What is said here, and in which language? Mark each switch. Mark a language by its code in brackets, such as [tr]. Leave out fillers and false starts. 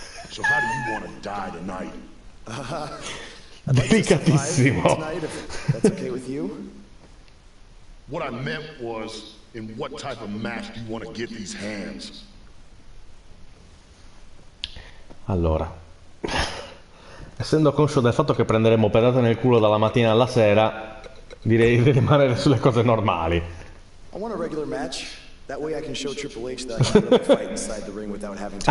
[en] So how do you want to die tonight? [it] Delicatissimo. [en] That's okay with you? What I meant was, in what type of match do you want to get these hands? [it] Allora, essendo conscio del fatto che prenderemo pedate nel culo dalla mattina alla sera, direi di rimanere sulle cose normali. [en] I want a regular match, that way I can show Triple H that I can fight inside the ring without having to...